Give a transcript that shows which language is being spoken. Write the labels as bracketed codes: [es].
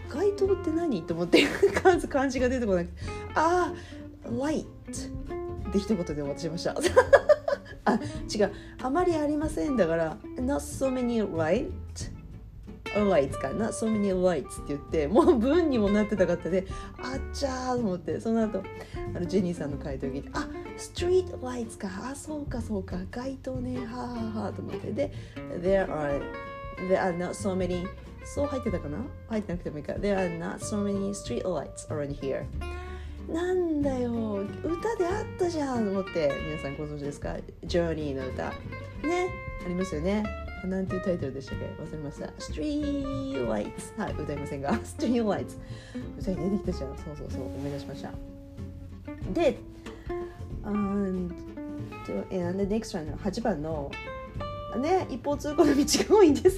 [ja] 該当って何？と思って漢字が出てこなくて、あー、light って一言で終わってしまいました。あ、違う、あまりありませんだから [en] not so many light lights [ja] か、 [en] not so many lights [ja] って言って、もう文にもなってたかったで、あっちゃーと思って、その後あのジェニーさんの回答を聞いて、あ、 [en] street lights [ja] か、あ、そうかそうか、該当ね、はーはーはーと思って、で [en] There are not so many. [ja] そう入ってたかな？入ってなくてもいいか。 [en] There are not so many street lights around here. [ja] なんだよ、歌であったじゃんと思って、皆さんご存知ですか？ Journey の歌。ね、ありますよね。なんていうタイトルでしたっけ？忘れました。 [en] Street lights。 [ja] はい、歌いませんが。Street lights。歌に出てきたじゃん。そうそうそう。思い出しました。で、 [en] and the next one [ja] の8番のね、一方通行の道が多いんです。